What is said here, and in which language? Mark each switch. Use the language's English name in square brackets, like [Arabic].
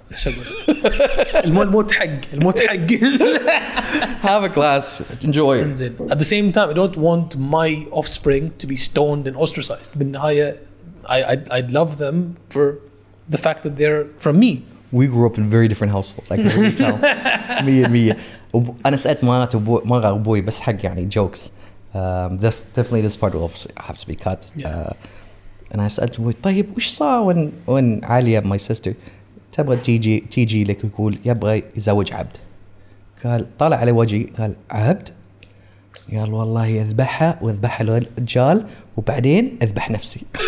[English] Have a glass. Enjoy it. At the same time, I don't want my offspring to be stoned and ostracized. I'd love them for the fact that they're from me. We grew up in very different households. I can really tell. Me and me. [Arabic] أنا سألت مرة أبوي بس حق يعني jokes. [English] Definitely this part will obviously have to be cut. And I said to him, [Arabic] طيب وش صار when عالية, [English] my sister, [Arabic] تبغى تيجي لك يقول يبغى يزوج عبد. قال طالع على وجهي قال عبد؟ قال والله أذبحها وأذبحها للجال وبعدين أذبح نفسي.